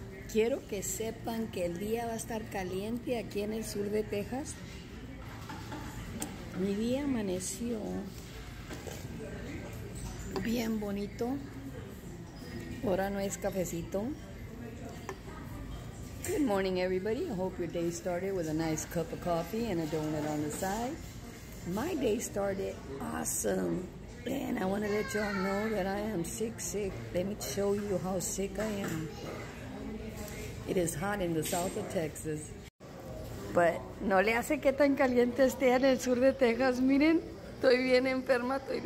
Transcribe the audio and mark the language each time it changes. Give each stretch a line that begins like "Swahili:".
Spanish: Quiero que sepan que el día va a estar caliente aquí en el sur de Texas. Mi día amaneció bien bonito. Ahora no es cafecito.
English: Good morning, everybody. I hope your day started with a nice cup of coffee and a donut on the side. My day started awesome. And I want to let y'all know that I am sick. Let me show you how sick I am. It is hot in the south of Texas.
Spanish: But no le hace que tan caliente esté en el sur de Texas. Miren, estoy bien enferma.